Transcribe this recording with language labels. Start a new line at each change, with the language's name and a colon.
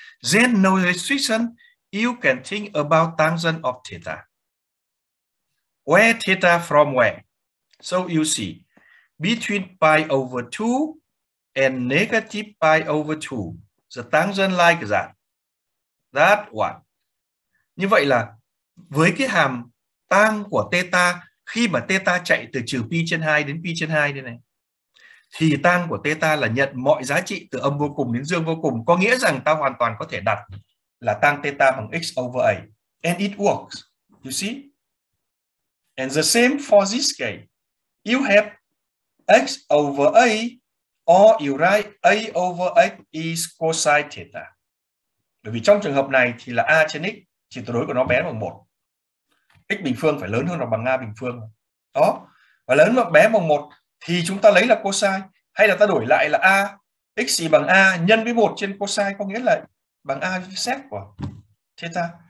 English: Then no restriction, you can think about tangent of theta. Where theta from where? So you see, between pi over 2 and negative pi over 2, the tangent like that, that one.
Vietnamese: Như vậy là với cái hàm tang của theta, khi mà theta chạy từ trừ pi trên 2 đến pi trên 2 đây này, thì tang của theta là nhận mọi giá trị từ âm vô cùng đến dương vô cùng, có nghĩa rằng ta hoàn toàn có thể đặt là tang theta bằng
English: x over a. And it works, you see? And the same for this case, you have x over a, or you write a over x is cosine theta.
Vietnamese: Bởi vì trong trường hợp này thì là a trên x, chỉ tuyệt đối của nó bé bằng 1. X bình phương phải lớn hơn hoặc bằng a bình phương. Đó. Và lớn hoặc bé bằng 1 thì chúng ta lấy là cosine. Hay là ta đổi lại là a, x gì bằng a nhân với 1 trên cosine, có nghĩa là bằng a sec của theta.